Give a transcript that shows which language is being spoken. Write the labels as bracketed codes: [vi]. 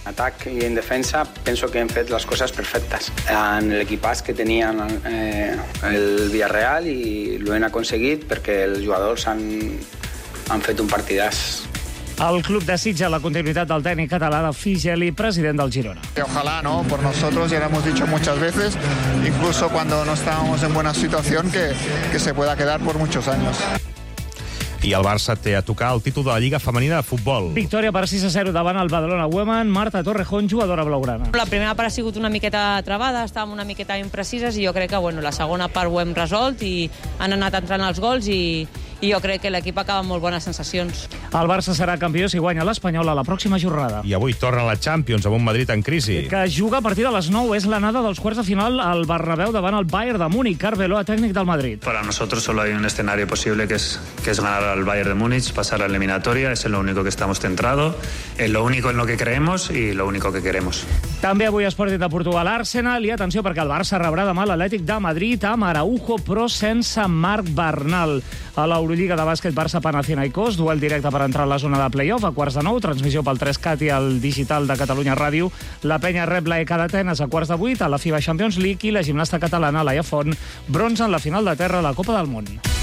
[ca] En atac i en defensa penso que hem fet les coses perfectes en l'equipàs que tenien el Villarreal i ho hem aconseguit perquè els jugadors han fet un partidàs. El club desitja la continuïtat del tècnic català de Figeli, president del Girona. [es] Ojalá, ¿no? Por nosotros, ya lo hemos dicho muchas veces, incluso cuando no estábamos en buena situación, que se pueda quedar por muchos años. [ca] I el Barça té a tocar el títol de la Lliga Femenina de Futbol. Victòria per 6-0 davant el Badalona Women. Marta Torrejón, jugadora blaugrana. La primera part ha sigut una miqueta trabada, estàvem una miqueta imprecises i jo crec que bueno, la segona part ho hem resolt i han anat entrant els gols i jo crec que l'equip acaba amb molt bones sensacions. El Barça serà campió si guanya l'Espanyol a la pròxima jornada. I avui torna la Champions amb un Madrid en crisi. Que juga a partir de les 9, és l'anada dels quarts de final al Bernabéu davant el Bayern de Múnich. Carvelo, tècnic del Madrid. [es] Para nosotros solo hay un escenario posible que es ganar al Bayern de Múnich, pasar a la eliminatoria, es lo único que estamos centrado, es lo único en lo que creemos y lo único que queremos. [ca] També avui Sporting de Portugal, Arsenal, i atenció perquè el Barça rebrà demà l'Atlètic de Madrid amb Araujo, però sense Marc Bernal. A la Lliga de bàsquet Barça-Panathinaikos, duel directe per entrar a la zona de play-off a quarts de 9, transmissió pel 3CAT i el digital de Catalunya Ràdio. La penya rep la ECA d'Atenes a quarts de 8 a la FIBA Champions League i la gimnasta catalana Laia Font bronza en la final de terra a la Copa del Món.